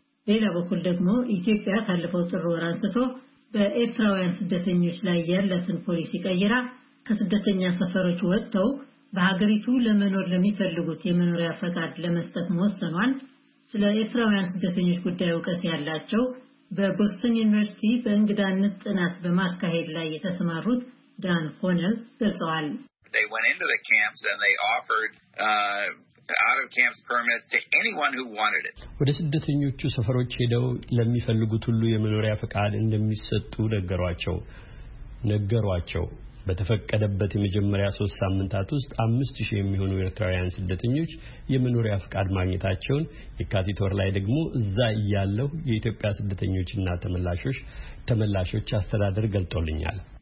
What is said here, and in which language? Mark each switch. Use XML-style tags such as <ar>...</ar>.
<am>ሌላ በኩል ደግሞ ኢትዮጵያ ካለፈው ጥር ወር አንስቶ በኤርትራውያን ስደተኞች ላይ ያለትን ፖሊሲ ቀይራ ከስደተኛ ሰፈሮች ወጥተው በሀገሪቱ ለመኖር ለሚፈልጉት የመኖሪያ ፈቃድ ለመስጠት መወሰኗን ስለ ኤርትራውያን ስደተኞች ጉዳይ እውቀት ያላቸው በቦስተን ዩኒቨርሲቲ በእንግዳነት ጥናት በማካሄድ ላይ የተሰማሩት ዳን ሆነል ገልጸዋል።</am> <en>They went into the camps and they offered out of camps permits to anyone who wanted it.</en> <am>ወደ ስደተኞቹ ሰፈሮች ሄደው ለሚፈልጉት ሁሉ የመኖሪያ ፈቃድ እንደሚሰጡ ነገሯቸው። በተፈቀደበት የመጀመሪያ 3 ሳምንታት ውስጥ 5000 የሚሆኑ ኤርትራውያን ስደተኞች የመኖሪያ ፈቃድ ማግኘታቸውን፣ የካቲት ወር ላይ ደግሞ እዛ ያለው የኢትዮጵያ ስደተኞችና ተመላሾች አስተዳደር ገልጦልኛል።</am>